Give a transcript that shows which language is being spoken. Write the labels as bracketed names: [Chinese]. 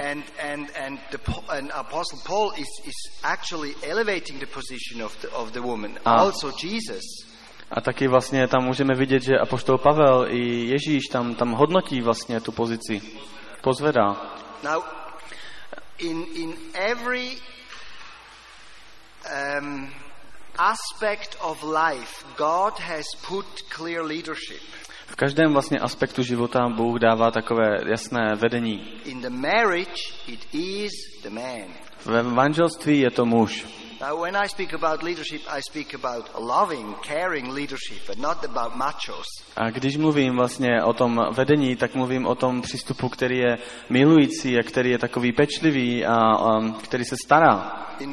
[English] And Apostle Paul is actually elevating the position of the woman. Also Jesus. [Czech] A taky vlastně tam můžeme vidět, že apoštol Pavel i Ježíš tam hodnotí vlastně tu pozici, pozvedá. [English] Now, in every aspect of life, God has put clear leadership. [Czech] V každém vlastně aspektu života Bůh dává takové jasné vedení. [English] In the marriage, it is the man. [Czech] V manželství je to muž. [English] Now when I speak about leadership, I speak about loving, caring leadership, but not about machos. [Czech] A když mluvím vlastně o tom vedení, tak mluvím o tom přístupu, který je milující a který je takový pečlivý a který se stará.